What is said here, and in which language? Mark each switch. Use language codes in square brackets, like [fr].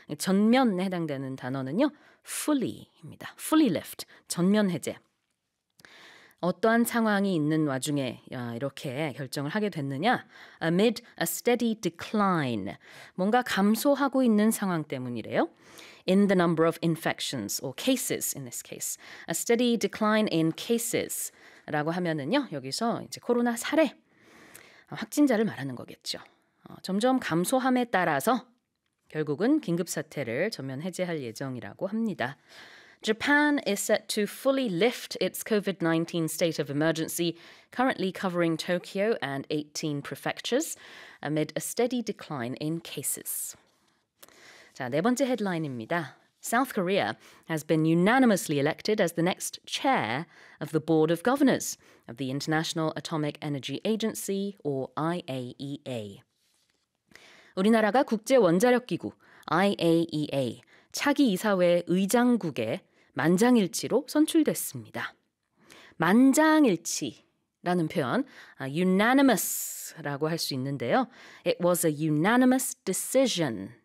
[ko] 전면에 해당되는 단어는요, fully입니다. [en] Fully lift, [ko] 전면 해제. 어떠한 상황이 있는 와중에 이렇게 결정을 하게 됐느냐? [en] Amid a steady decline. [ko] 뭔가 감소하고 있는 상황 때문이래요. [en] In the number of infections or cases in this case. A steady decline in cases [ko] 라고 하면은요. 여기서 이제 코로나 사례 확진자를 말하는 거겠죠. 점점 감소함에 따라서 결국은 긴급사태를 전면 해제할 예정이라고 합니다. [en] Japan is set to fully lift its COVID-19 state of emergency, currently covering Tokyo and 18 prefectures, amid a steady decline in cases. [ko] 자, 네 번째 헤드라인입니다. [en] South Korea has been unanimously elected as the next chair of the Board of Governors of the International Atomic Energy Agency, or IAEA. [ko] 우리나라가 국제원자력기구 IAEA 차기 이사회 의장국에 만장일치로 선출됐습니다. 만장일치라는 표현, unanimous라고 할 수 있는데요. [en] It was a unanimous decision.